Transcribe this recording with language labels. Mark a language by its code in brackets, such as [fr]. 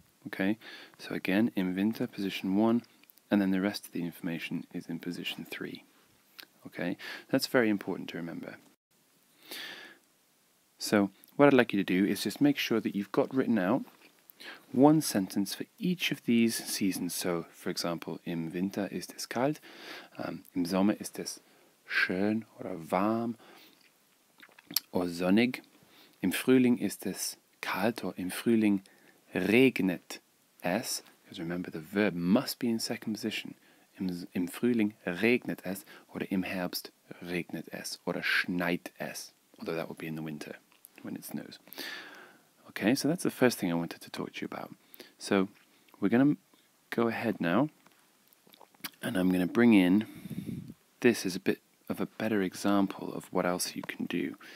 [en] Okay, so again, im Winter, position one, and then the rest of the information is in position three. Okay, that's very important to remember. So, what I'd like you to do is just make sure that you've got written out one sentence for each of these seasons. So, for example, [de] im Winter ist es kalt, im Sommer ist es schön oder warm oder sonnig, im Frühling ist es kalt oder im Frühling regnet. [en] S, because remember the verb must be in second position. [de] Im Frühling regnet es, oder im Herbst regnet es, oder schneit es, [en] although that would be in the winter when it snows. Okay, so that's the first thing I wanted to talk to you about. So we're going to go ahead now, and I'm going to bring in, this is a bit of a better example of what else you can do.